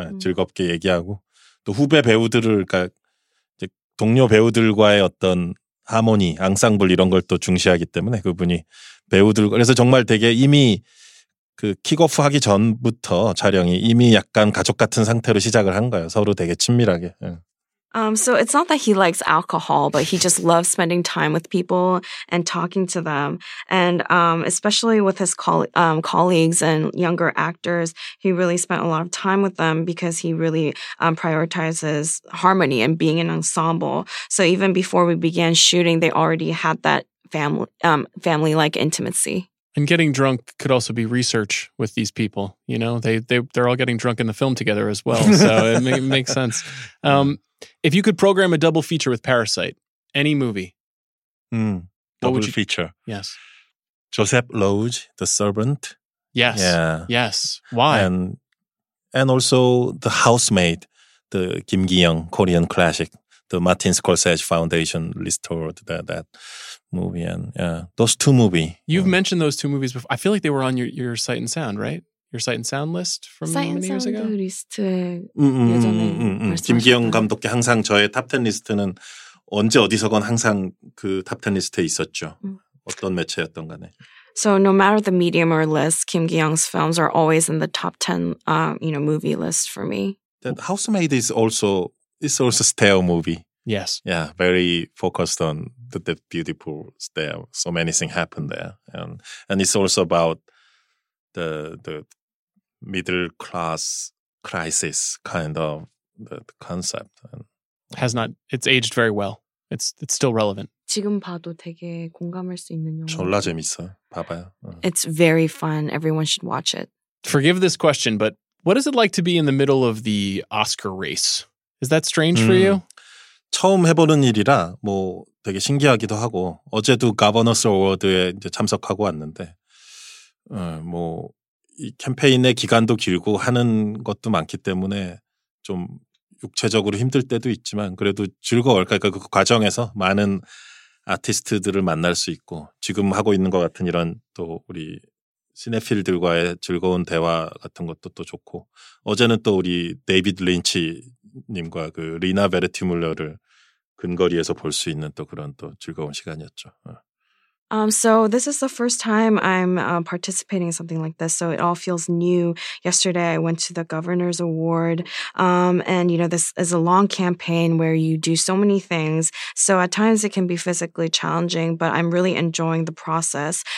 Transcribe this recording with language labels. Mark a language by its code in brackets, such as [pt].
[ko] 즐겁게 얘기하고. 또 후배 배우들을, 그러니까 동료 배우들과의 어떤 하모니, 앙상블 이런 걸 또 중시하기 때문에 그분이 배우들, 그래서 정말 되게 이미 그 킥오프 하기 전부터 촬영이 이미 약간 가족 같은 상태로 시작을 한 거예요. 서로 되게 친밀하게. [en] So it's not that he likes alcohol, but he just loves spending time with people and talking to them. And especially with his colleagues and younger actors, he really spent a lot of time with them because he really prioritizes harmony and being an ensemble. So even before we began shooting, they already had that family-like intimacy. And getting drunk could also be research with these people. You know, they're all getting drunk in the film together as well. So it makes sense. If you could program a double feature with Parasite, any movie. Double feature. Yes. Joseph Loge, The Servant. Yes. Yeah. Yes. Why? And also The Housemaid, the Kim Ki-young Korean classic, the Martin Scorsese Foundation restored that. Movie and those two movies. You've mentioned those two movies before. I feel like they were on your Sight and Sound, right? Your Sight and Sound list from Sight many years sound ago. [ko] List. 말씀하셨다. 김기영 감독께 항상 저의 탑10 리스트는 언제 어디서건 항상 그 탑10 리스트에 있었죠. 어떤 매체였던 간에. [en] So no matter the medium or list, Kim Ki-young's films are always in the top 10 movie list for me. That Housemaid is also a stale movie. Yes. Yeah, very focused on the beautiful there. So many things happen there. And it's also about the middle class crisis kind of the concept. And it's aged very well. It's still relevant. [ko] 지금 봐도 되게 공감할 수 있는 영화. 졸라 재밌어. 봐봐요. [en] It's very fun. Everyone should watch it. Forgive this question, but what is it like to be in the middle of the Oscar race? Is that strange for you? [ko] 처음 해보는 일이라 뭐 되게 신기하기도 하고 어제도 가버너스 어워드에 이제 참석하고 왔는데 뭐 이 캠페인의 기간도 길고 하는 것도 많기 때문에 좀 육체적으로 힘들 때도 있지만 그래도 즐거울까 그 과정에서 많은 아티스트들을 만날 수 있고 지금 하고 있는 것 같은 이런 또 우리 시네필들과의 즐거운 대화 같은 것도 또 좋고 어제는 또 우리 데이비드 린치님과 그 리나 베르티뮬러를 근거리에서 볼 수 있는 또 그런 또 즐거운 시간이었죠. [en] So this is the first time I'm participating in something like this. So it all feels new. Yesterday I went to the Governor's Award. And you know, this is a long campaign where you do so many things. So at times it can be physically challenging, but I'm really enjoying the process.